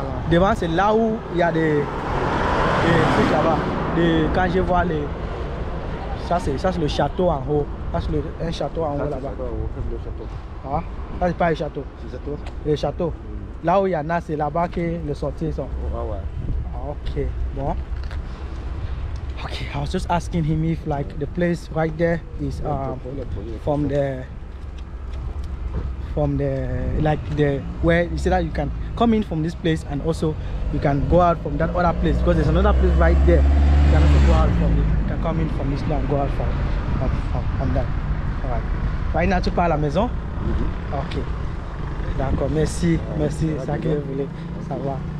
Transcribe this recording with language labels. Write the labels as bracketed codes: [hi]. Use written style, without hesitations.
[fr] Devant, c'est là où il y a des trucs là-bas. Quand je vois les... Ça c'est le château en haut. Ça c'est un château en haut ça, là-bas. C'est le château. Ah, ça c'est pas le château. C'est le château. Là où il y en a, c'est là-bas que les sorties sont. Ouais. Ok, bon. [en] Ok, I was just asking him if like the place right there is from the like the where you see that you can come in from this place and also you can go out from that other place because there's another place right there. You can also go out from it. You can come in from this place and go out from that. Alright. Right now [fr] tu pars à la maison? Mm-hmm. Ok. D'accord, merci, merci, c'est ça que je voulais savoir.